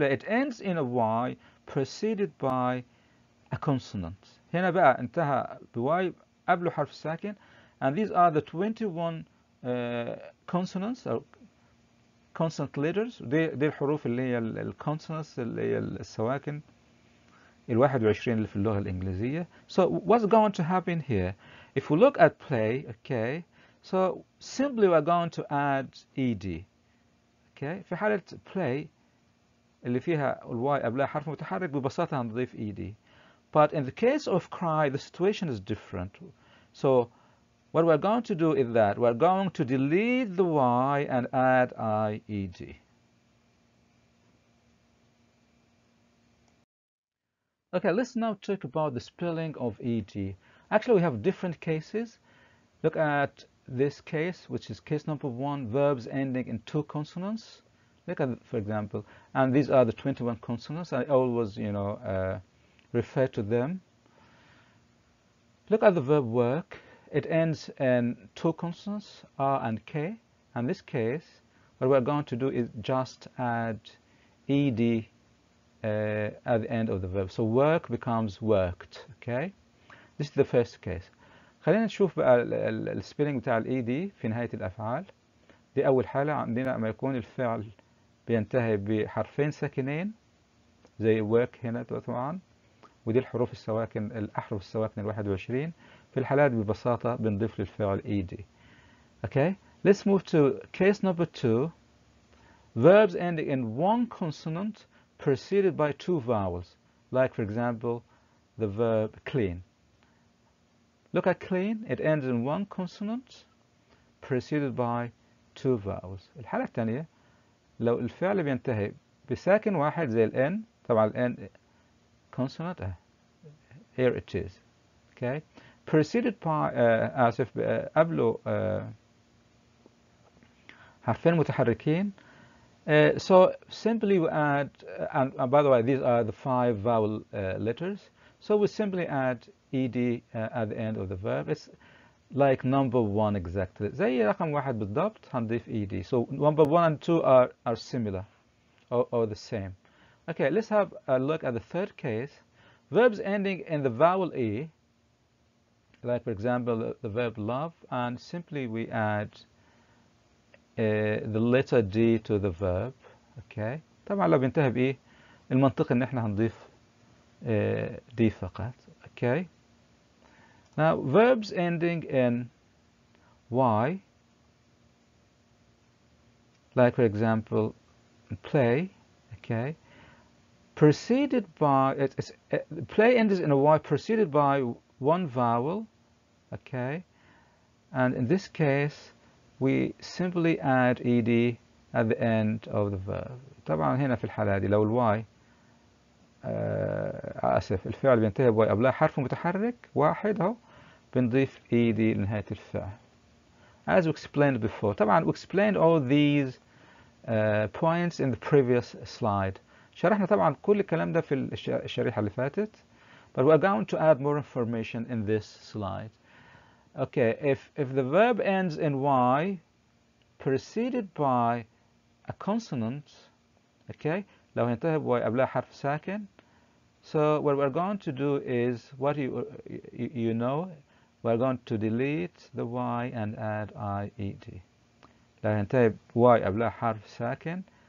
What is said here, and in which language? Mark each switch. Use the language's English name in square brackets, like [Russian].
[English] It ends in a y preceded by a consonant. [Arabic] هنا بقى انتهى بواي قبله حرف ساكن. [English] And these are the 21 consonants or consonant letters. [Arabic] دي الحروف اللي هي consonants اللي هي السواكن. الواحد وعشرين اللي في اللغة الإنجليزية. [English] So what's going to happen here? If we look at play, okay, so simply we're going to add ed. [Arabic] Okay, في حالة play اللي فيها الواي قبلها حرف متحرك ببساطة هنضيف ed. [English] But in the case of cry, the situation is different. So what we're going to do is that we're going to delete the y and add ied. Okay, let's now talk about the spelling of ed. Actually, we have different cases. Look at this case, which is case number one, verbs ending in two consonants. Look at, for example, and these are the 21 consonants. I always, you know, refer to them. Look at the verb work. It ends in two consonants, R and K. In this case, what we're going to do is just add ed at the end of the verb. So work becomes worked, okay? This is the first case. [Arabic] خلينا نشوف بقى السبيلينج بتاع الاي دي في نهاية الأفعال. دي أول حالة عندنا ما يكون الفعل بينتهي بحرفين ساكنين زي work هنا طبعا. ودي الحروف السواكن الأحرف السواكن الواحد وعشرين. في الحالات ببساطة بنضيف للفعل اي دي. [English] Okay, let's move to case number two. Verbs ending in one consonant preceded by two vowels, like for example, the verb clean. Look at clean, it ends in one consonant preceded by two vowels. [Arabic] الحالة الثانية, لو الفعل بينتهي بساكن واحد زي الN, طبعا الN consonant, [English] here it is, okay? Preceded by, [Arabic] آسف, قبله حرفين متحركين. [English] So simply we add, and by the way, these are the five vowel letters. So we simply add ed at the end of the verb. It's like number one exactly. [Arabic] زي رقم واحد بالضبط هنضيف ed. [English] So number one and two are similar or the same. Okay, let's have a look at the third case. Verbs ending in the vowel e, like for example, the verb love, and simply we add the letter D to the verb, okay. [Arabic] طبعا لو بينتهي بإي المنطق ان احنا هنضيف D فقط, okay. [English] Now verbs ending in Y, like for example play, okay, preceded by, play ends in a Y preceded by one vowel, okay, and in this case we simply add ed at the end of the verb. [Arabic] طبعا هنا في الحالة دي لو الواي آسف الفعل بينتهي بواي قبلها حرف متحرك واحد اهو بنضيف ed لنهاية الفعل. [English] As we explained before, طبعا we explained all these points in the previous slide. [Arabic] شرحنا طبعا كل الكلام ده في الشريحة اللي فاتت. [English] But we are going to add more information in this slide. Okay, if the verb ends in Y preceded by a consonant, okay, [Arabic] لو ينتهي بواي قبلها حرف ساكن, [English] so what we're going to do is what you know, we're going to delete the Y and add IED. لو ينتهي بواي قبلها حرف ساكن,